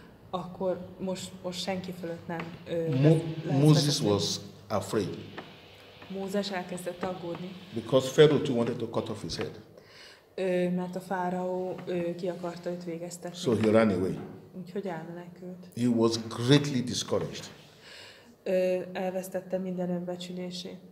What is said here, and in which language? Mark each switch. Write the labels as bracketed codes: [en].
[hu] Akkor most senki fölött nem [en] Moses was afraid. [hu] Mózes elkezdett aggódni. [en] Because Pharaoh too wanted to cut off his head. [hu] Mert a fáraó ki akarta őt végeztetni. [en] So he ran away. [hu] Úgyhogy elmenekült. [en] He was greatly discouraged. [hu] Elvesztette minden önbecsülését.